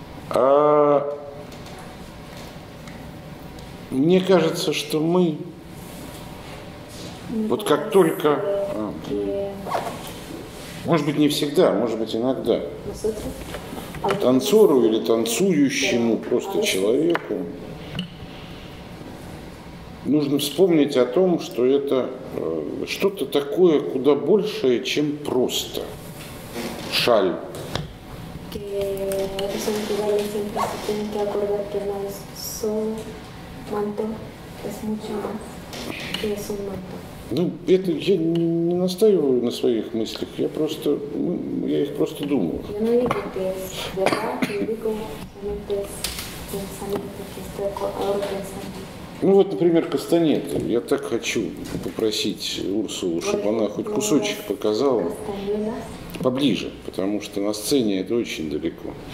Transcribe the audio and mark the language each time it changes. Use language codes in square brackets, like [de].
[ru] А мне кажется, что мы, вот как только, может быть, не всегда, может быть, иногда, танцору или танцующему просто человеку нужно вспомнить о том, что это что-то такое куда большее, чем просто шаль, [es] son iguales, siempre se tienen que acordar que no es solo manto, es mucho más que es un manto. [ru] Ну, это я не настаиваю на своих мыслях, я просто, ну, я их просто думаю. Ну вот, например, кастанеты. Я так хочу попросить Урсулу, чтобы она хоть кусочек показала поближе, потому что на сцене это очень далеко.